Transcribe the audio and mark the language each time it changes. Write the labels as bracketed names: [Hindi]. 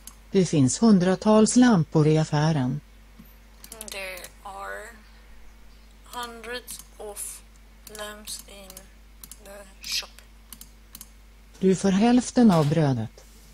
[Swedish] Det finns hundratals lampor i affären. [English] There are hundreds of lamps in the shop. [Swedish] Du får hälften av brödet.